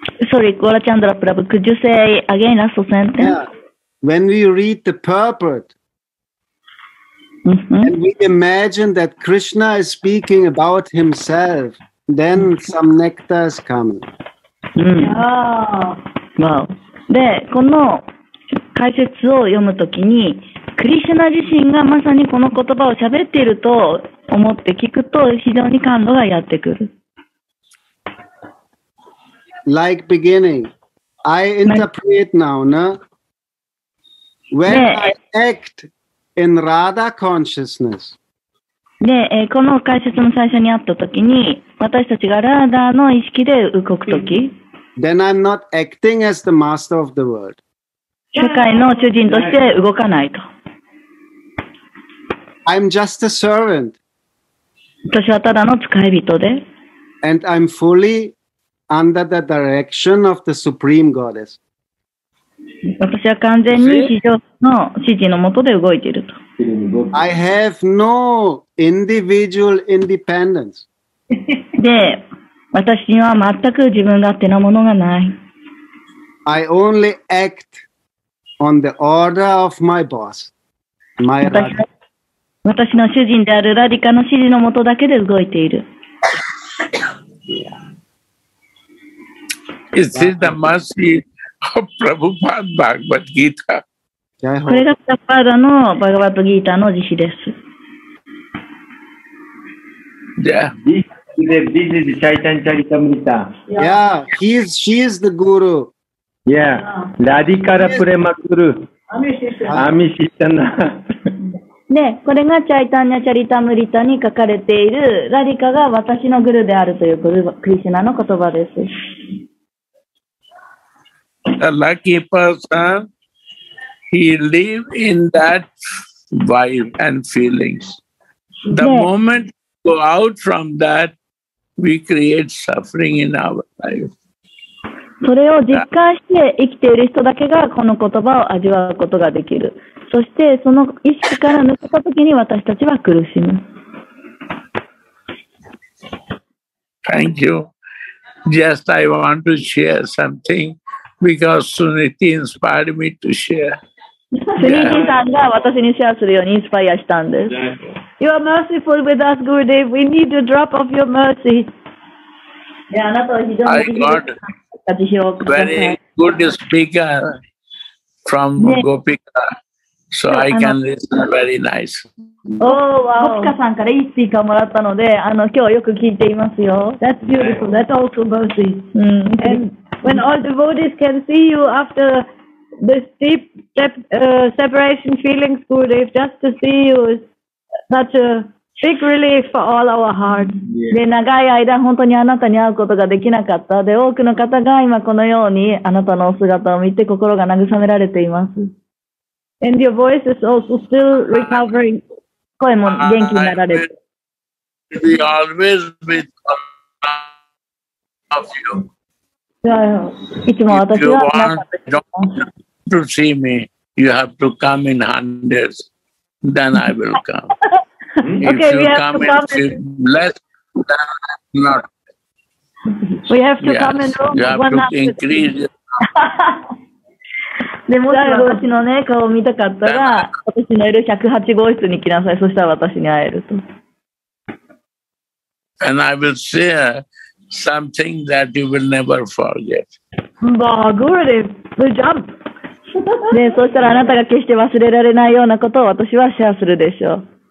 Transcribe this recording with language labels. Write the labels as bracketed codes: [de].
[en] Sorry, Gorachandra Prabhu, could you say again a sentence? Yeah. When we read the purport, and we imagine that Krishna is speaking about himself, then some nectar is coming. Wow. [ja] De, kono 解説を読むときに、クリシュナ自身がまさにこの言葉を喋っていると思って聞くと、非常に感動がやってくる。 [en] Like beginning, I interpret now, na? When I act in Radha consciousness. [ja] で、この解説の最初にあったときに、私たちがラーダの意識で動くとき。 [en] Then I'm not acting as the master of the world. [ja] 世界の主人として動かないと。 [en] I'm just a servant. [ja] 私はただの使い人で。 [en] And I'm fully under the direction of the Supreme Goddess. [ja] 私は完全に地上の指示のもとで動いていると。 [en] I have no individual independence. [ja] で、私には全く自分勝手なものがない。 [en] I only act. On the order of my boss, my Radha. [ja] 私の主人であるラディカの指示のもとだけで動いている。 [en] Yeah. Is this the mercy of Prabhupada Bhagavad Gita? [ja] これがプラパーダのバガバッドギータの慈悲です。 [en] Yeah. This is Chaitanya Charitamrita. Yeah, she is the guru. [bn] Yeah, Radhikara Premakuru. Ami Shishana. [ja] ね、これがチャイタンニャチャリタムリタに書かれているラディカが私のグルであるというクリシュナの言葉です。 [en] A lucky person, he live in that vibe and feelings. The moment go out from that, we create suffering in our life. [ja] それを実感して生きている人だけがこの言葉を味わうことができる。そしてその意識から抜けたときに私たちは苦しむ。 [en] Thank you. Just I want to share something because Suniti inspired me to share. [ja] Suniti さんが私にシェアするようにインスパイアしたんです。 [en] You are merciful with us, Gurudev. We need a drop of your mercy. [ja] あなたは非常に。 [en] Very good speaker from Gopika, so I can listen very nice. Oh, wow. [ja] Gopika さんからいいスピーカーもらったので、今日よく聞いていますよ。 [en] That's beautiful. That's also mercy. And when all devotees can see you after this deep separation feelings, Gurudev, just to see you is such a... Big relief for all our hearts. [ja] で、長い間本当にあなたに会うことができなかった。で、多くの方が今このようにあなたのお姿を見て心が慰められています。 [en] And your voice is also still recovering. [ja] 声も元気になられて。 [en] We always with you. [ja] いつも私は。 [en] If you want to see me, you have to come in hundreds. Then I will come. Okay, if you come and feel blessed, not. We have to come and roll. You have to increase. [ja] でもし私のね顔を見たかったら私のいる108号室に来なさい。そしたら私に会えると。 [en] And I will share something that you will never forget. [ja] バーグーで、ジャンプ。ね、そしたらあなたが決して忘れられないようなことを私はシェアするでしょう。